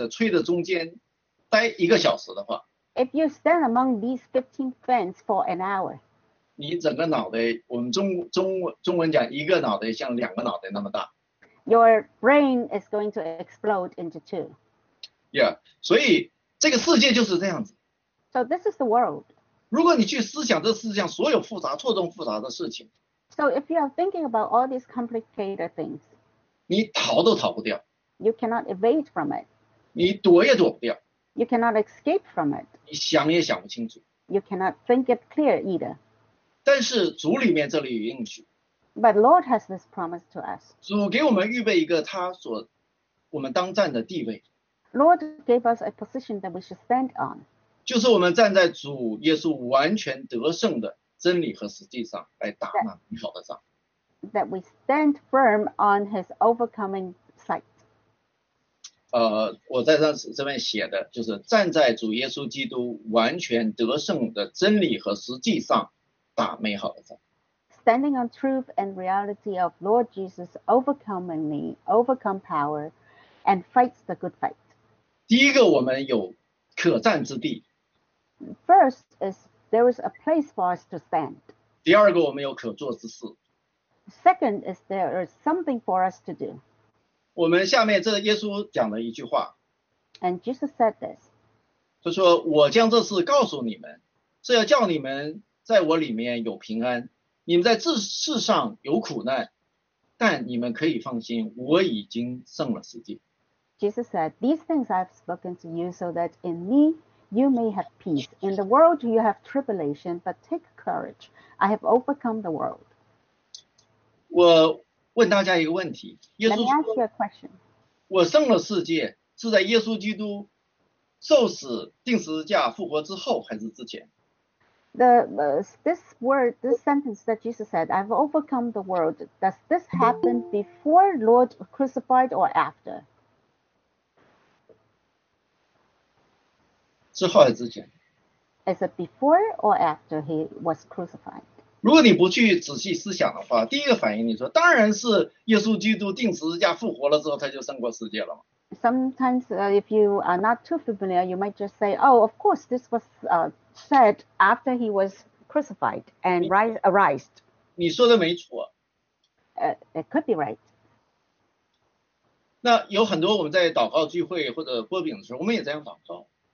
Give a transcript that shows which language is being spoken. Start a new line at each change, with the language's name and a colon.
Chinese: 如果你在这个15的电扇的吹的中间待一个小时的话,
English: if you stand among these 15 fans for an hour,
Chinese: 你整个脑袋, 我们中文讲, 一个脑袋像两个脑袋那么大,
English: your brain is going to explode into two.
Chinese: Yeah, 所以这个世界就是这样子,
English: so this is the world.
Chinese: 如果你去思想这世界上所有复杂、错综复杂的事情，
English: So if you are thinking about all these complicated things,
Chinese: 你逃都逃不掉。
English: You cannot evade from it.
Chinese: 你躲也躲不掉。
English: You cannot escape from it.
Chinese: 你想也想不清楚。
English: You cannot think it clear either.
Chinese: 但是主里面这里有应许。
English: But Lord has this promise to us.
Chinese: 主给我们预备一个他所我们当站的地位。
English: Lord gave us a position that we should stand on.
Chinese: 就是我们站在主耶稣完全得胜的真理和实际上来打那美好的仗。
English: That we stand firm on his overcoming sight.
Chinese: 我在这边写的就是站在主耶稣基督完全得胜的真理和实际上打美好的仗。
English: Standing on truth and reality of Lord Jesus overcoming me, overcome power, and fights the good fight.
Chinese: 第一个我们有可战之地。
English: First is there is a place for us to stand.
Chinese: 第二个我们有可做之事。
English: Second is there is something for us to do.
Chinese: 我们下面这耶稣讲了一句话。
English: And Jesus said this.
Chinese: 他说我将这事告诉你们是要叫你们在我里面有平安。你们在这世上有苦难但你们可以放心我已经胜了世界。
English: Jesus said, These things I have spoken to you so that in me you may have peace. In the world you have tribulation, but take courage. I have overcome the world.
Chinese: 我问大家一个问题。
English: Let me ask you a question.
Chinese: 我胜了世界是在耶稣基督受死、钉十字架、复活之后还是之前？
English: This sentence that Jesus said, I have overcome the world, does this happen before Lord crucified or after?
Chinese: 之后还是之前？
English: Is it before or after he was crucified?
Chinese: 如果你不去仔细思想的话，第一个反应你说，当然是耶稣基督钉十字架复活了之后，他就胜过世界了嘛。
English: Sometimes, if you are not too familiar, you might just say, "Oh, of course, this was said after he was crucified and arised."
Chinese: 你说的没错。
English: It could be right.
Chinese: 那有很多我们在祷告聚会或者擘饼的时候，我们也这样祷告。